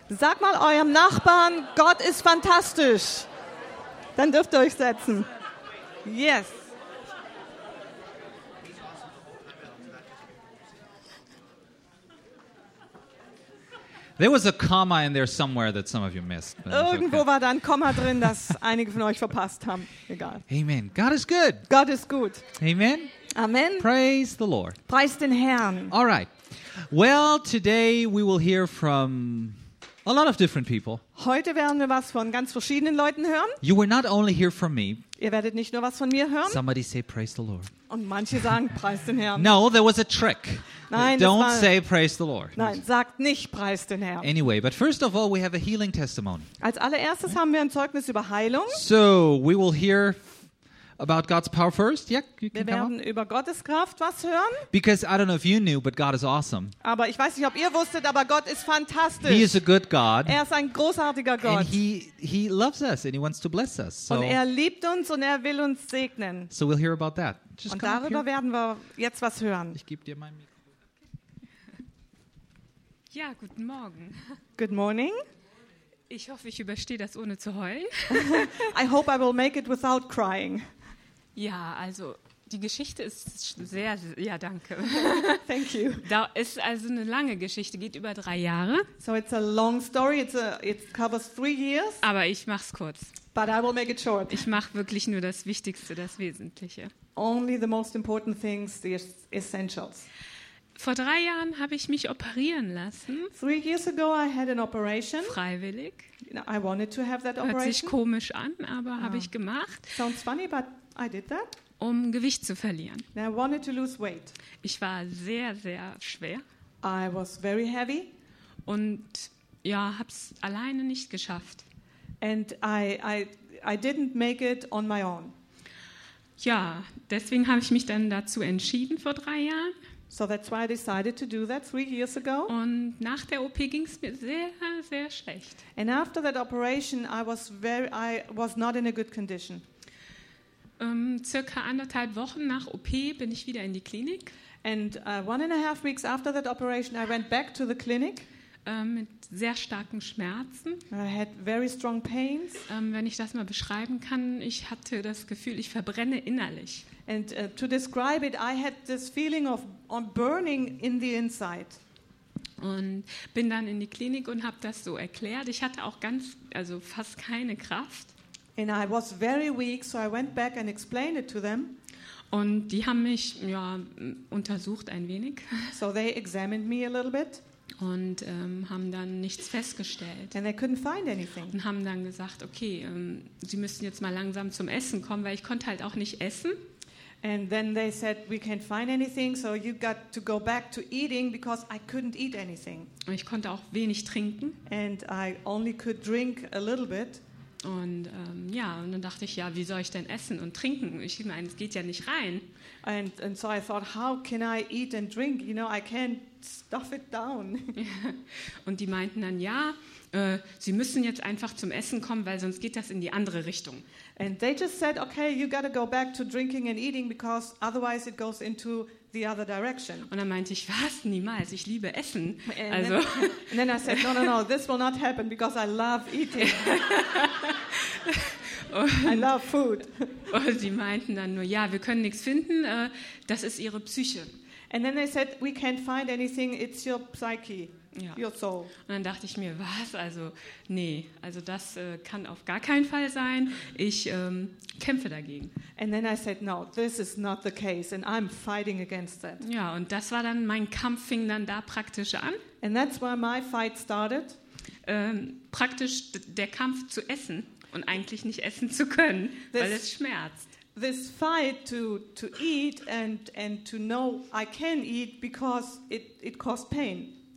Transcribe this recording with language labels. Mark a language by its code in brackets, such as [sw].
[de] Sag mal eurem Nachbarn, Gott ist fantastisch. Dann dürft ihr euch setzen. [en] Yes. There was a comma in there somewhere that some of you missed. [de] Irgendwo war da ein Komma drin, das einige von euch verpasst haben. Egal. [en] Amen. God is good. God is good. Amen. Amen. Praise the Lord. [de] Preist den Herrn. [en] All right. Well, today we will hear from a lot of different people. [de] Heute werden wir was von ganz verschiedenen Leuten hören. [en] You will not only hear from me. [de] Ihr werdet nicht nur was von mir hören. [en] Somebody say praise the Lord. [de] Und manche sagen preist den Herrn. [en] No, there was a trick. [de] Nein, [en] don't [de] war, [en] say praise the Lord. [de] Nein, sagt nicht preist den Herrn. [en] Anyway, but first of all we have a healing testimony. [de] Als allererstes haben wir ein Zeugnis über Heilung. [en] So, we will hear about God's power first. Yeah, you can come. [de] Wir werden über Gottes Kraft was hören. [en] Because I don't know if you knew, but God is awesome. [de] Aber ich weiß nicht, ob ihr wusstet, aber Gott ist fantastisch. [en] He is a good God. [de] Er ist ein großartiger Gott. [en] And he loves us and he wants to bless us. So. [de] Und er liebt uns und er will uns segnen. [en] So we'll hear about that. Just [de] und darüber werden wir jetzt was hören. Ich gebe dir mein Mikro. Ja, guten Morgen. [en] Good morning. [de] Ich hoffe, ich überstehe das ohne zu heulen. [en] I hope I will make it without crying. [de] Ja, also die Geschichte ist sehr, ja, danke. [en] Thank you. [de] Da ist also eine lange Geschichte, geht über 3 Jahre. [en] So it's a long story, it covers 3 years. [de] Aber ich mach's kurz. [en] But I will make it short. [de] Ich mach wirklich nur das Wichtigste, das Wesentliche. [en] Only the most important things, the essentials. [de] Vor 3 Jahren habe ich mich operieren lassen. [en] 3 years ago I had an operation. [de] Freiwillig. [en] I wanted to have that operation. [de] Hört sich komisch an, aber habe ich gemacht. [en] Sounds funny, but I did that. [de] Um Gewicht zu verlieren. [en] I wanted to lose weight. [de] Ich war sehr, sehr schwer. [en] I was very heavy. [de] Und ja, hab's alleine nicht geschafft. [en] And I didn't make it on my own. [de] Ja, deswegen habe ich mich dann dazu entschieden vor 3 Jahren. [en] So that's why I decided to do that 3 years ago. [de] Und nach der OP ging's mir sehr, sehr schlecht. [en] And after that operation, I was not in a good condition. [de] Circa 1,5 Wochen nach OP bin ich wieder in die Klinik. [en] And 1.5 weeks after that operation, I went back to the clinic. [de] Mit sehr starken Schmerzen. [en] I had very strong pains. [de] Wenn ich das mal beschreiben kann, ich hatte das Gefühl, ich verbrenne innerlich. [en] And to describe it, I had this feeling of burning in the inside. [de] Und bin dann in die Klinik und habe das so erklärt. Ich hatte auch ganz, also fast keine Kraft. [en] And I was very weak, so I went back and explained it to them. [de] Und die haben mich ja untersucht ein wenig. [en] So they examined me a little bit. [de] Und haben dann nichts festgestellt. [en] And they couldn't find anything. [de] Und haben dann gesagt, okay, sie müssen jetzt mal langsam zum Essen kommen, weil ich konnte halt auch nicht essen. [en] And then they said, we can't find anything, so you got to go back to eating because I couldn't eat anything. [de] Und ich konnte auch wenig trinken. [en] And I only could drink a little bit. [de] Und ja, und dann dachte ich, ja, wie soll ich denn essen und trinken? Ich meine, es geht ja nicht rein. [en] And so I thought, how can I eat and drink? You know, I can't stuff it down. [de] Und die meinten dann, ja, sie müssen jetzt einfach zum Essen kommen, weil sonst geht das in die andere Richtung. [en] And they just said, okay, you gotta go back to drinking and eating because otherwise it goes into the other direction. [de] Und dann meinte ich, was, niemals, ich liebe Essen. [en] And [de] also. [en] Then, and then I said, no, this will not happen because I love eating. [de] Und, [en] I love food. [de] Und sie meinten dann nur, ja, wir können nichts finden, das ist ihre Psyche. [en] And then they said, we can't find anything, it's your psyche. [de] Ja. [en] Your soul. [de] Und dann dachte ich mir, was, also nee, also das kann auf gar keinen Fall sein, ich kämpfe dagegen. [en] And then I said, no, this is not the case and I'm fighting against that. [de] Ja, und das war dann, mein Kampf fing dann da praktisch an. [en] And that's where my fight started. [de] Praktisch der Kampf zu essen und eigentlich nicht essen zu können, weil es schmerzt. [en] This fight to eat and to know I can eat because it caused pain.